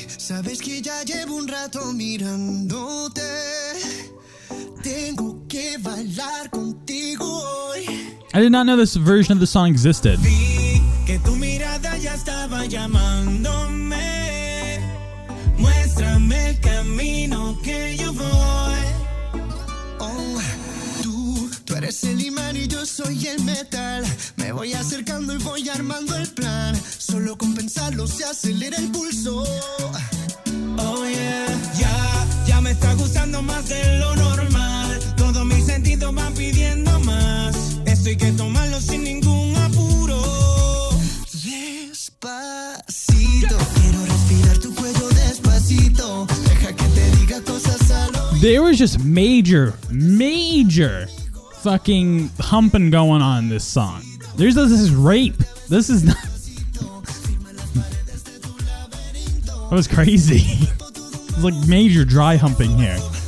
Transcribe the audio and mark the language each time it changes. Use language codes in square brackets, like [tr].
[es] Sabes que ya llevo un rato mirándote. Tengo que bailar contigo hoy. [en] I did not know this version of the song existed. [es] Vi que tu mirada ya estaba llamándome. Muéstrame el camino que yo voy. Oh, tú eres el imán y yo soy el metal. Me voy acercando y voy armando el plan. Solo con pensarlo se acelera el pulso. Oh yeah, ya me está gustando más de lo normal. Todo mi sentido van pidiendo más. Esto hay que tomarlo sin ningún apuro. Despacito, quiero respirar tu cuello despacito. Deja que te diga cosas al oído. [en] There was just major, major fucking humping going on in this song. There's this is rape. This is not. That was crazy. It's like major dry humping here.